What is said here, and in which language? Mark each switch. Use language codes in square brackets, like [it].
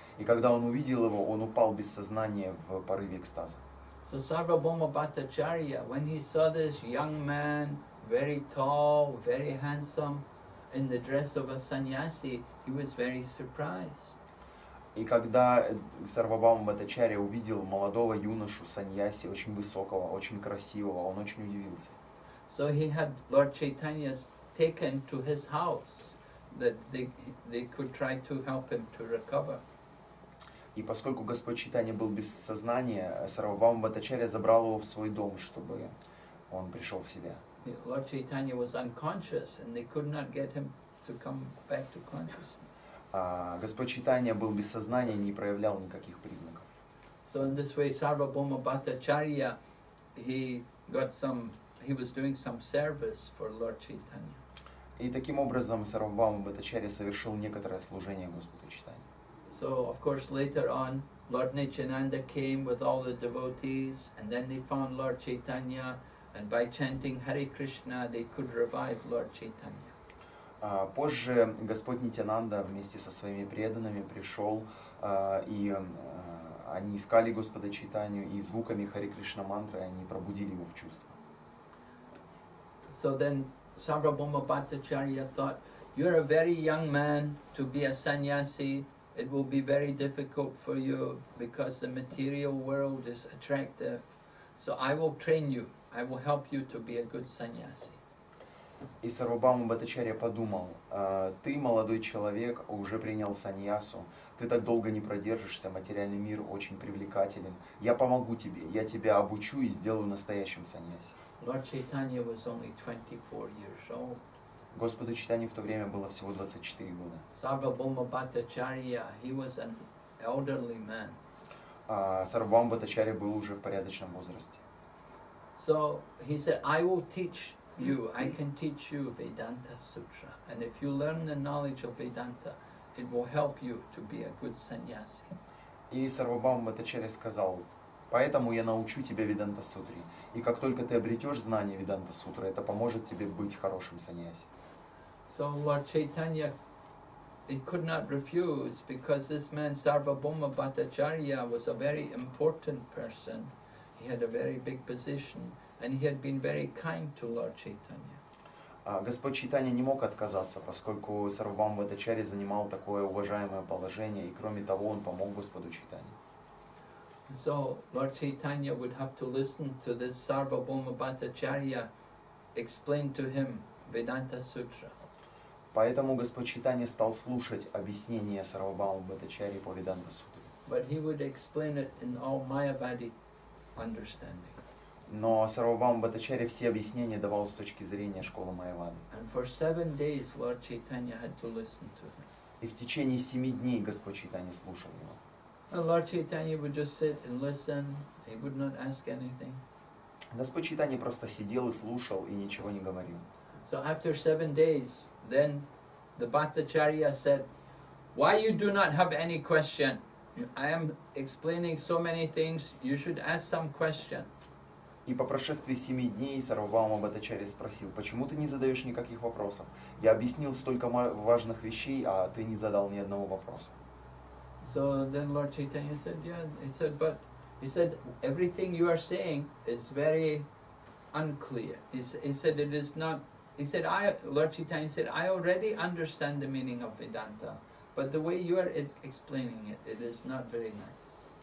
[ru] И когда он увидел его, он упал без сознания в порыве экстаза. [en] So Sarvabhauma Bhattacharya, when he saw this young man, very tall, very handsome, in the dress of a sannyasi, he was very surprised. [ru] И когда Сарвабхаума Бхаттачарья увидел молодого юношу саньяси, очень высокого, очень красивого, он очень удивился. [en] So he had Lord Chaitanya taken to his house, that they could try to help him to recover. [ru] И поскольку Господь Чайтанья был без сознания, Сарвабхаума Бхаттачарья забрал его в свой дом, чтобы он пришел в себя. [en] Lord Chaitanya was unconscious, and they could not get him to come back to consciousness. [ru] Господь Чайтанья был без сознания, не проявлял никаких признаков. [en] So in this way, Sarvabhauma Bhattacharya, he was doing some service for Lord Chaitanya. [ru] И таким образом Сарвабхаума Бхаттачарья совершил некоторое служение Господу Чайтанье. [en] So of course later on, Lord Nityananda came with all the devotees, and then they found Lord Chaitanya. And by chanting Hare Krishna, they could revive Lord Chaitanya. [ru] Позже Господь Нитянанда вместе со своими преданными пришел, и они искали Господа Чайтанью, и звуками Хари Кришна мантры они пробудили его в чувство. [en] So then Sarvabhauma Bhattacharya thought, you're a very young man to be a sannyasi. It will be very difficult for you because the material world is attractive. So I will train you. I will help you to be a good sannyasi. [ru] И Сарвабхаума Бхаттачарья подумал, ты молодой человек, уже принял саньясу, ты так долго не продержишься, материальный мир очень привлекателен. Я помогу тебе, я тебя обучу и сделаю настоящим саньяси. [en] Lord Chaitanya was only 24 years old. [ru] Господу Чайтанье в то время было всего 24 года. [en] Sarvabhauma Bhattacharya, he was an elderly man. [ru] Сарвабхаума Бхаттачарья был уже в порядочном возрасте. [en] So he said, I will teach you, I can teach you Vedanta Sutra. And if you learn the knowledge of Vedanta, it will help you to be a good sannyasi. [ru] И Сарвабхаума Бхаттачарья сказал, поэтому я научу тебя Веданта Сутре. И как только ты обретешь знание Веданта Сутры, это поможет тебе быть хорошим саньяси. [en] So Lord Chaitanya, he could not refuse, because this man Sarvabhauma Bhattacharya was a very important person. He had a very big position, and he had been very kind to Lord Chaitanya. [ru] Господь Чайтанья не мог отказаться, поскольку Сарвабхаума Бхаттачарья занимал такое уважаемое положение, и кроме того, он помог Господу Чайтанье. [en] So Lord Chaitanya would have to listen to this Sarvabhauma Bhattacharya explain to him Vedanta Sutra. [ru] Поэтому Господь Чайтанья стал слушать объяснение Сарвабхаума Бхаттачарьи по Веданта Сутре. [en] But he would explain it in all Mayavadi understanding. [ru] Но Сарвабхаума Бхаттачарья все объяснения давал с точки зрения школы Майявады. [en] And for 7 days Lord Chaitanya had to listen to him. [ru] И в течение 7 дней Господь Чайтанья слушал его. [en] And Lord Chaitanya would just sit and listen. He would not ask anything. [ru] Господь Чайтанья просто сидел и слушал и ничего не говорил. [en] So after 7 days, then the Bhattacharya said, "Why you do not have any question? I am explaining so many things. You should ask some question." [ru] И по прошествии 7 дней Сарвабхаума Бхаттачарья спросил, почему ты не задаешь никаких вопросов? Я объяснил столько важных вещей, а ты не задал ни одного вопроса. [en] So then Lord Chaitanya said, he said, everything you are saying is very unclear. Lord Chaitanya said, I already understand the meaning of Vedanta, but the way you are explaining it, it is not very nice.